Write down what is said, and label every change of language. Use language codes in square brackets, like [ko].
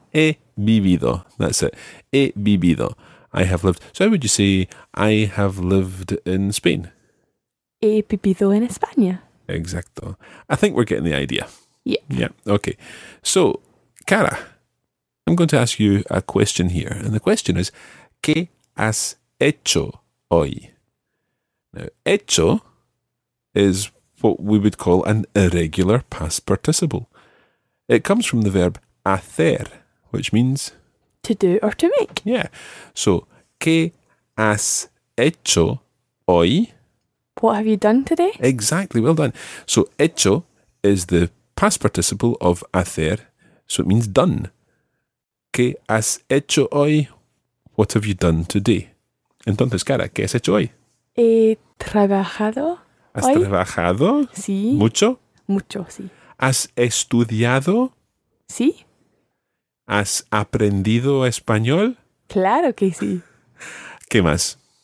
[es] He vivido. [en] That's it. He vivido. I have lived. So how would you say I have lived in Spain? [es] He vivido en España. Exacto. [en] I think we're getting the idea. Yeah. Yeah. Okay. So, Cara, I'm going to ask you a question here. And the question is, [es] ¿qué has hecho hoy? [en] Now, hecho is what we would call an irregular past participle. It comes from the verb hacer, which means to do or to make. Yeah. So, [es] ¿qué has hecho hoy? [en] What have you done today? Exactly. Well done. So, hecho is the past participle of hacer, so it means done. [es] ¿Qué has hecho hoy? [en] What have you done today? [es] Entonces, Cara, ¿qué has hecho hoy? He trabajado. ¿Has trabajado? Sí. ¿Mucho? Mucho, sí. ¿Has estudiado? Sí. ¿Has aprendido español? Claro que sí. ¿Qué más?